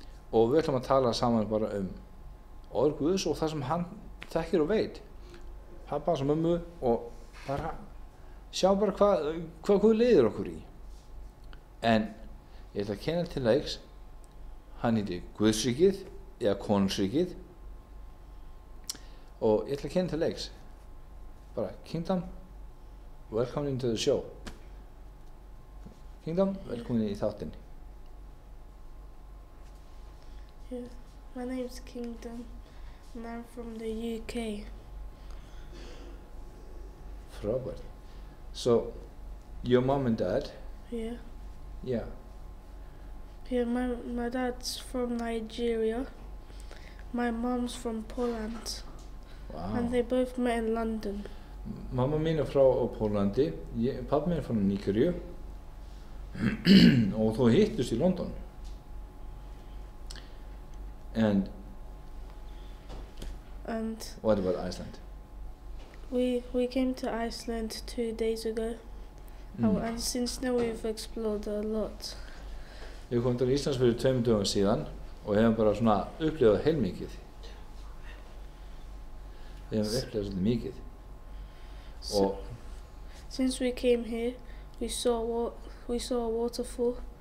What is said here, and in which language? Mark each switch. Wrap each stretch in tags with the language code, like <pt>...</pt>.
<is>Og við ætlum að tala saman bara orð Guðs og það sem hann þekkir og veit pabba hans og mömmu og bara sjá bara hvað Guð leiðir okkur í en ég ætla að kenna til leiks hann heiti Guðsríkið eða Konungsríkið og ég ætla að kenna til leiks bara Kingdom</is> <en>welcome into the show</en> <is>Kingdom velkomin í þáttinni</is> <en>My name is Kingdom, and I'm from the UK.</en> <is>Frábært.</is> <en>So, your mom and dad? Yeah. Yeah, my dad's from Nigeria. My mom's from Poland. Wow. And they both met in London.</en> <is>Mamma mín frá Pólandi, pabbi mín frá Nígeríu. Og þú hittust í London.</is> <en>And what about Iceland? We came to Iceland 2 days ago. Mm. And since now we've explored a lot.</en> <is>Við komum til Íslands fyrir 2 dögum síðan og hefum bara svona upplifað heilmikið. Við hefum upplifað svona mikið.</is> <en>So, since we came here, we saw a waterfall.</en>